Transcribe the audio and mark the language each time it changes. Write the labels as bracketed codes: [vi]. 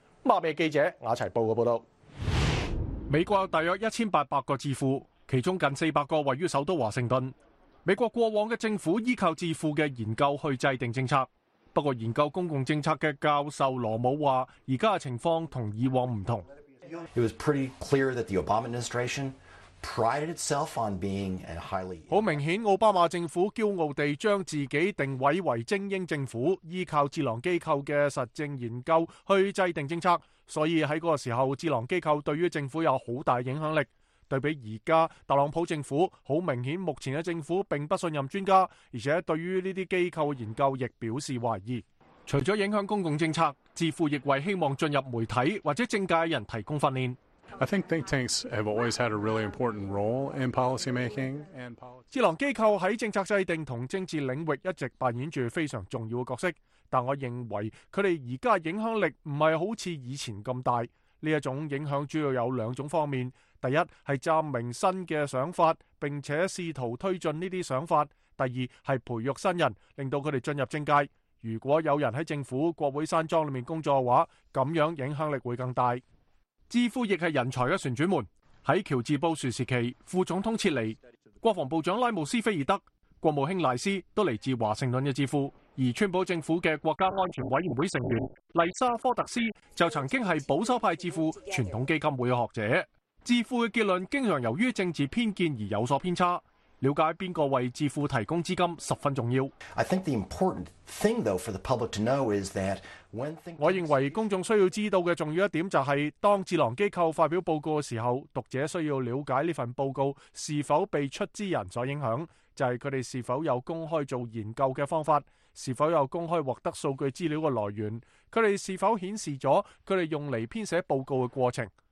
[zh] 马美记者雅齐报嘅报道。美国有大约1800个智库，其中近400个位于首都华盛顿。美国过往的政府依靠智库的研究去制定政策。不过研究公共政策的教授罗姆说，现在的情况跟以往不同。 [en] It was pretty clear that the Obama administration prided itself on being a highly [zh] 好明显，奥巴马政府骄傲地将自己定位为精英政府，依靠智囊机构的实证研究去制定政策，所以在那个时候智囊机构对于政府有很大影响力。对比现在特朗普政府，好明显目前的政府并不信任专家，而且对于这些机构研究亦表示怀疑。除了影响公共政策，智库亦为希望进入媒体或者政界人提供训练。 [en] I think think tanks have always had a really important role in policy making and policy. [zh] 智囊机构在政策制定和政治领域一直扮演着非常重要的角色，但我认为他们现在的影响力不是好像以前那么大。这种影响主要有两种方面，第一是暂明新的想法并且试图推进这些想法，第二是培育新人令到他们进入政界。如果有人在政府国会山庄里面工作的话，这样影响力会更大。智库亦是人才的旋转门。在乔治布殊时期，副总统撤离，国防部长拉姆斯菲尔德、国务卿赖斯都来自华盛顿的智库，而川普政府的国家安全委员会成员丽莎科特斯就曾经是保守派智库传统基金会的学者。智库的结论经常由于政治偏见而有所偏差，了解哪个为智库提供资金十分重要。 [en] I think the important thing though for the public to know is that when [zh] 我认为公众需要知道的重要一点就是，当智囊机构发表报告的时候，读者需要了解这份报告是否被出资人所影响，就是他们是否有公开做研究的方法，是否有公开获得数据资料的来源，他们是否显示了他们用来编写报告的过程。